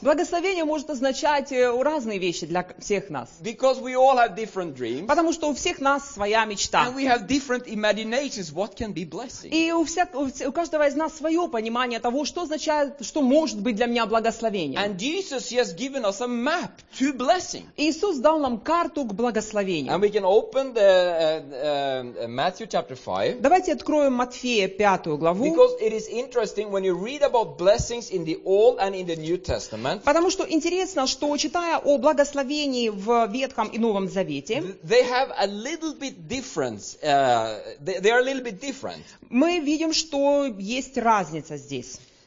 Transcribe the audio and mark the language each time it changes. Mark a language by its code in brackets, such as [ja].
[ru] Благословение может означать разные вещи для всех нас. [en] Because we all have different dreams. [ru] Потому что у всех нас своя мечта. [en] And we have different imaginations what can be blessing. [ru] И у каждого из нас свое понимание того, что означает, что может быть для меня благословение. [en] And Jesus has given us a map to blessing. [ru] Иисус дал нам карту к благословению. [en] And we can open the Matthew chapter 5. [ru] Давайте откроем Матфея 5 главу. [en] Because it is interesting when you read about blessings in the Old and in the New Testament. [ru] Потому что интересно, что читая о благословении в Ветхом и Новом Завете, [en] they have a little bit difference. They are a little bit different. [ru] Мы видим, что есть разница здесь.